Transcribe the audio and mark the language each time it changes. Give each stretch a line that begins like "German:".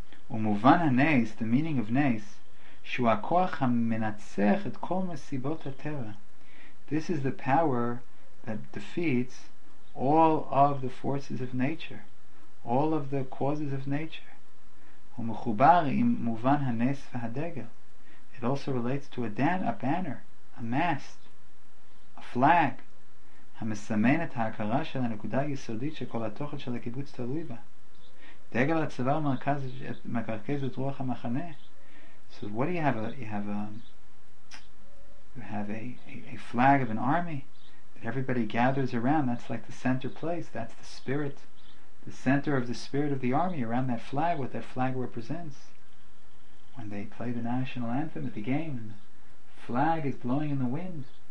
Hebrew: Umuvan ha-neis,
English: the meaning of neis,
Hebrew: shu ha-koach ha-menatzech et kol mesibot ha-teva.
English: This is the power that defeats all of the forces of nature, all of the causes of nature.
Hebrew: ומחובר עם מובן הנס והדגל.
English: It also relates to a banner, a mast, a flag,
Hebrew: המסמן את ההכרה של הנקודה היסודית שכל התוכן של הקיבוץ תלוי בה. דגל הצוואר מרכז את רוח המחנה.
English: So what do you have? You have a flag of an army that everybody gathers around. That's like the center place. That's the spirit. The center of the spirit of the army around that flag, what that flag represents. When they play the national anthem at the game, and the flag is blowing in the wind.